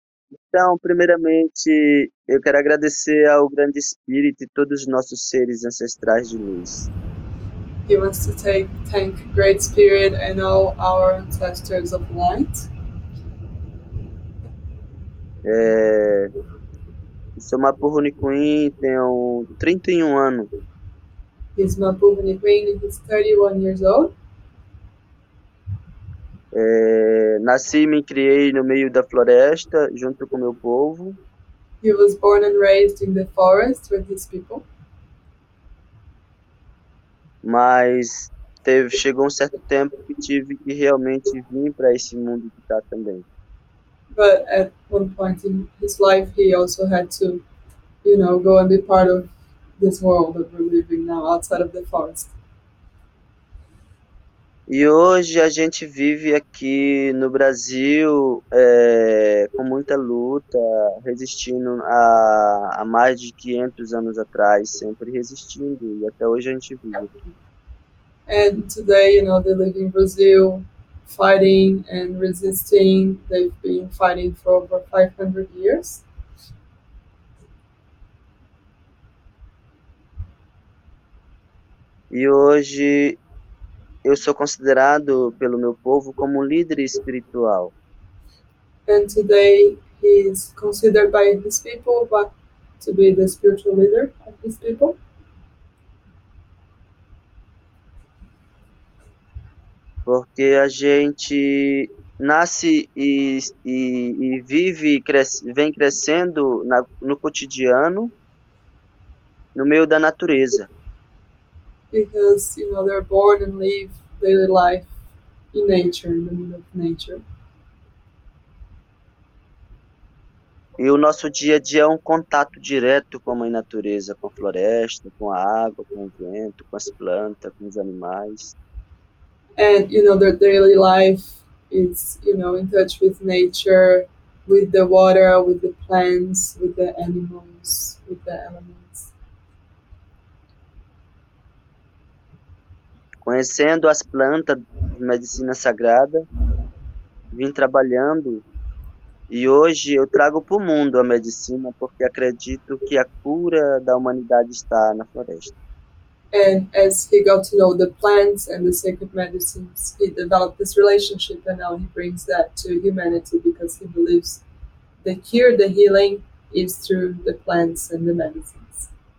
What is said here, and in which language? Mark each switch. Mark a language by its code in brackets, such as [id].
[pt] Então, primeiramente, eu quero agradecer ao Grande Espírito e todos os nossos seres ancestrais de luz. [en] He wants to thank Great Spirit and all our ancestors of light. [pt] Sou Mapuhuni Queen, tenho 31 anos. [en] He's Mapuhuni Queen, he's 31 years old. [pt] Nasci e me criei no meio da floresta, junto com meu povo. [en] He was born and raised in the forest with his people. [pt] Mas chegou um certo tempo que tive que realmente vir para esse mundo que está também. [en] But at one point in his life, he also had to, go and be part of this world that we're living now outside of the forest. [pt] E hoje a gente vive aqui no Brasil, com muita luta, resistindo a mais de 500 anos atrás, sempre resistindo, e até hoje a gente vive aqui. [en] And today, they live in Brazil, fighting and resisting. They've been fighting for over 500 years. [pt] E hoje eu sou considerado pelo meu povo como líder espiritual. [en] And today, he's considered by his people, but to be the spiritual leader of his people. [pt] Porque a gente nasce e vive e cresce, vem crescendo no cotidiano, no meio da natureza. [en] Because they're born and live daily life in nature, in the middle of nature. [pt] E o nosso dia a dia é um contato direto com a mãe natureza, com a floresta, com a água, com o vento, com as plantas, com os animais. [en] And their daily life is, in touch with nature, with the water, with the plants, with the animals, with the elements. [pt] Conhecendo as plantas de medicina sagrada, vim trabalhando. E hoje eu trago para o mundo a medicina porque acredito que a cura da humanidade está na floresta. [en] And as he got to know the plants and the sacred medicines, he developed this relationship, and now he brings that to humanity because he believes the cure, the healing, is through the plants and the medicines.